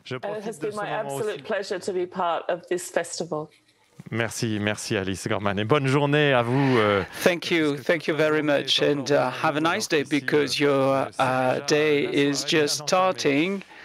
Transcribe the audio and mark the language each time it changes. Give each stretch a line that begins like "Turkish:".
English: It has been my absolute pleasure to be part of this festival.
French: Merci, merci Alice Gorman, et bonne journée à vous.
English: Thank you very much, and have a nice day, because your day is just starting.